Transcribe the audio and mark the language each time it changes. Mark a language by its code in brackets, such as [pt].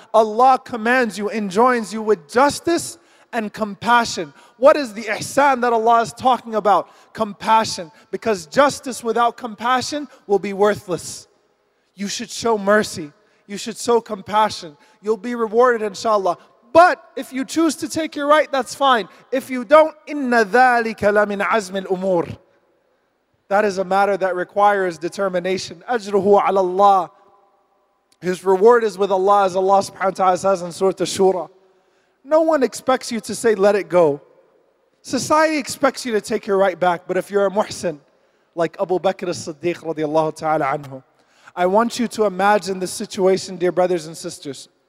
[en] Allah commands you, enjoins you with justice and compassion. What is the ihsan that Allah is talking about? Compassion. Because justice without compassion will be worthless. You should show mercy. You should show compassion. You'll be rewarded, inshallah. But if you choose to take your right, that's fine. If you don't, [ar] إِنَّ ذَٰلِكَ لَمِنْ عَزْمِ الْأُمُورِ. [en] That is a matter that requires determination. [ar] أَجْرُهُ عَلَى اللَّهِ. [en] His reward is with Allah, as Allah subhanahu wa ta'ala says in Surah Ash-Shura. No one expects you to say, let it go. Society expects you to take your right back. But if you're a muhsin, like Abu Bakr as-Siddiq radiallahu ta'ala anhu, I want you to imagine the situation, dear brothers and sisters.